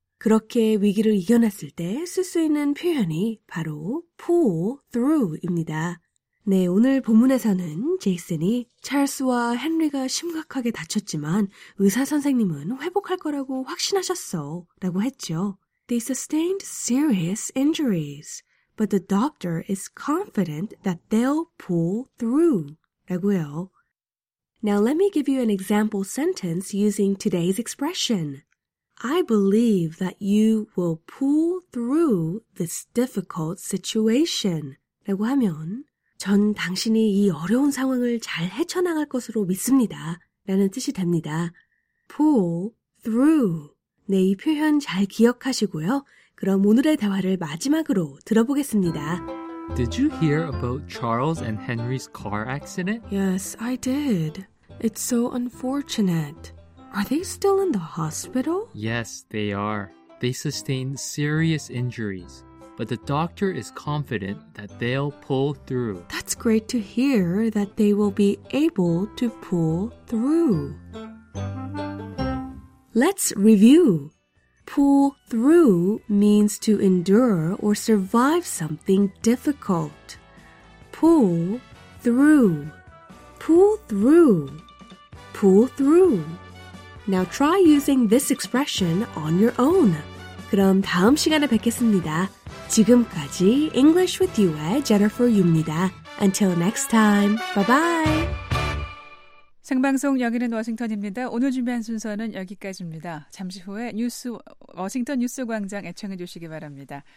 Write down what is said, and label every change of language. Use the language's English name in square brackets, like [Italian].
[Korean] 그렇게 위기를 이겨냈을 때 쓸 수 있는 표현이 바로 pull through입니다. 네, 오늘 본문에서는 제이슨이 찰스와 헨리가 심각하게 다쳤지만 의사 선생님은 회복할 거라고 확신하셨어 라고 했죠. [English] They sustained serious injuries, but the doctor is confident that they'll pull through [Korean] 라고요. [English] Now let me give you an example sentence using today's expression. I believe that you will pull through this difficult situation [Korean] 라고 하면 전 당신이 이 어려운 상황을 잘 헤쳐나갈 것으로 믿습니다. 라는 뜻이 됩니다. Pull through. 네, 이 표현 잘 기억하시고요. 그럼 오늘의 대화를 마지막으로 들어보겠습니다. [English] Did you hear about Charles and Henry's car accident? Yes, I did. It's so unfortunate. Are they still in the hospital? Yes, they are. They sustained serious injuries. But the doctor is confident that they'll pull through. That's great to hear that they will be able to pull through. Let's review. Pull through means to endure or survive something difficult. Pull through. Pull through. Pull through. Now try using this expression on your own. [Korean] 그럼 다음 시간에 뵙겠습니다. 지금까지 English with You의 Jennifer Yu입니다. [English] Until next time, bye-bye. [Korean] 생방송 여기는 워싱턴입니다. 오늘 준비한 순서는 여기까지입니다. 잠시 후에 뉴스 워싱턴 뉴스 광장 애청해 주시기 바랍니다.